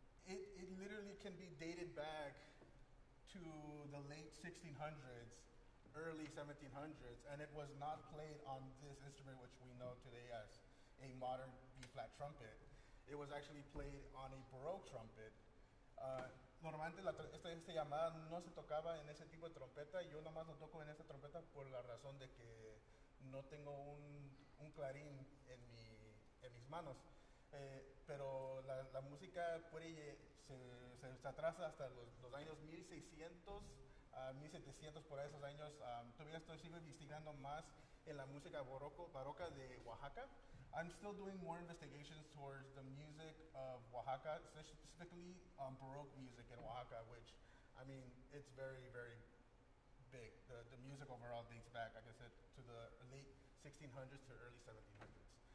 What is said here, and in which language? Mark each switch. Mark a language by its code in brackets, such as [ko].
[en] It literally can be dated back to the late 1600s, early 1700s, and it was not played on this instrument, which we know today as a modern B-flat trumpet. It was actually played on a baroque trumpet. [es] Normalmente, esta llamada no se tocaba en ese tipo de trompeta. Yo nomás lo toco en esta trompeta por la razón de que no tengo un clarín en mis manos. Pero la música se atrasa hasta los años 1600, 1700, por esos años. Todavía sigo investigando más en la música baroca de Oaxaca. [en] I'm still doing more investigations towards the music of Oaxaca, specifically Baroque music in Oaxaca, which, I mean, it's very, very big. The music overall dates back, like I said, to the late 1600s to early 1700s.